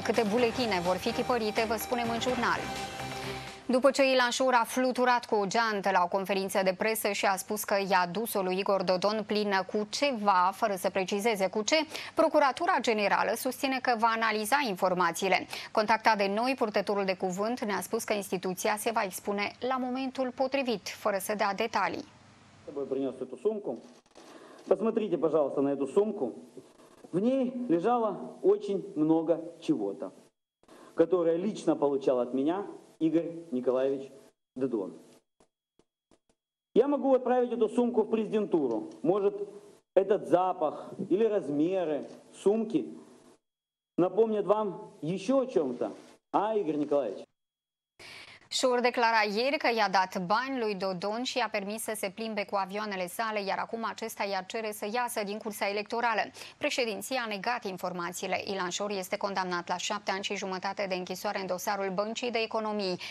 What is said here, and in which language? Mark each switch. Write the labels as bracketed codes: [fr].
[ro] Câte buletine vor fi tipărite, vă spunem în jurnal. După ce Ilanșor a fluturat cu o geantă la o conferință de presă și a spus că i-a dus-o lui Igor Dodon plină cu ceva, fără să precizeze cu ce, Procuratura Generală susține că va analiza informațiile. Contactat de noi, purtătorul de cuvânt ne-a spus că instituția se va expune la momentul potrivit, fără să dea detalii. [ru] тобой принес эту сумку. Посмотрите, пожалуйста, на эту сумку. В ней лежало очень много чего-то, которое лично получал от меня Игорь Николаевич Дедон. Я могу отправить эту сумку в президентуру. Может, этот запах или размеры сумки напомнят вам еще о чем-то, а, Игорь Николаевич? [ro] Șur declara ieri că i-a dat bani lui Dodon și i-a permis să se plimbe cu avioanele sale, iar acum acesta i-ar cere să iasă din cursa electorală. Președinția a negat informațiile. Ilan Șor este condamnat la 7 ani și jumătate de închisoare în dosarul Băncii de Economii.